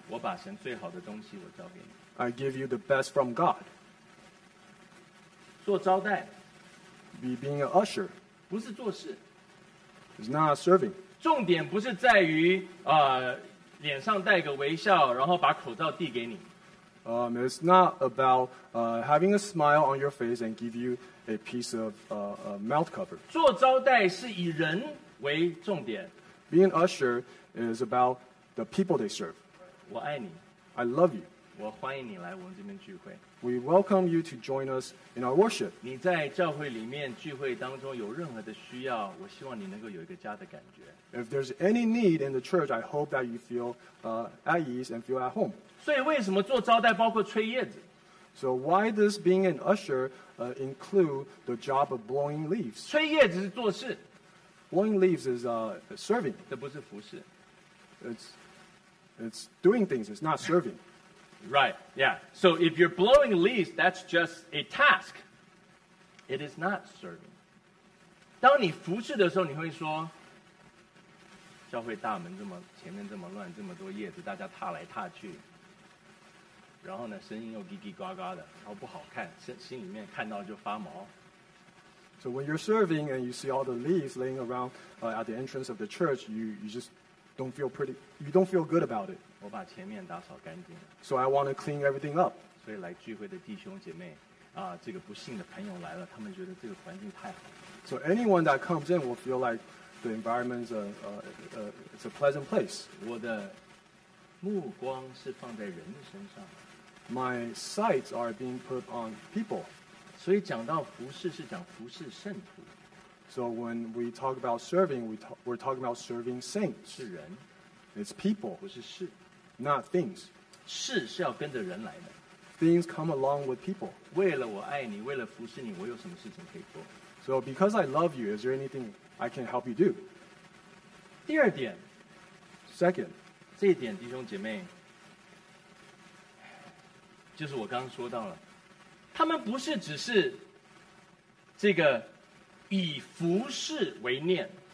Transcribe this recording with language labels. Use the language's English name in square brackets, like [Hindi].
[Chinese] 我把神最好的东西我交给你。 [English] I give you the best from God. [Chinese] 做招待。 [English] be being an usher. [Chinese] 不是做事。 [English] It's not serving. [Chinese] 重点不是在于脸上带个微笑，然后把口罩递给你。 [English] It's not about having a smile on your face and give you a piece of a mouth cover. [Chinese] 做招待是以人为重点。 [English] Being an usher is about the people they serve. [Chinese] 我爱你。 [English] I love you. [Chinese] 我欢迎你来我们这边聚会。 [English] We welcome you to join us in our worship. [Chinese] 你在教会里面聚会当中有任何的需要，我希望你能够有一个家的感觉。 [English] If there's any need in the church, I hope that you feel at ease and feel at home. [Chinese] 所以为什么做招待包括吹叶子？ [English] So why does being an usher include the job of blowing leaves? [Chinese] 吹叶子是做事。 [English] Blowing leaves is serving. [Chinese] 这不是服事。 [English] It's doing things, it's not serving. Right, yeah. So if you're blowing leaves, that's just a task. It is not serving. [Chinese] 当你服侍的时候，你会说，教会大门这么前面这么乱，这么多叶子，大家踏来踏去，然后呢，声音又叽叽呱呱的，然后不好看，心里面看到就发毛。 [English] So when you're serving and you see all the leaves laying around at the entrance of the church, you just don't feel pretty, you don't feel good about it. [Chinese] 我把前面打扫干净了。 [English] So I want to clean everything up. [Chinese] 所以来聚会的弟兄姐妹，这个不幸的朋友来了，他们觉得这个环境太好。 [English] So anyone that comes in will feel like the environment's it's a pleasant place. [Chinese] 我的目光是放在人的身上。 [English] My sights are being put on people. [Chinese] 所以讲到服事是讲服事圣徒。 [English] So when we talk about serving, we're talking about serving saints. [Chinese] 是人。 [English] It's people, [Chinese] 不是事 [English] not things. [Chinese] 事是要跟着人来的。 [English] Things come along with people. [Chinese] 为了我爱你，为了服侍你，我有什么事情可以做？ [English] So because I love you, is there anything I can help you do? [Chinese] 第二点 [English] Second, [Chinese] 这一点弟兄姐妹，就是我刚刚说到了，他们不是只是这个以服侍为念。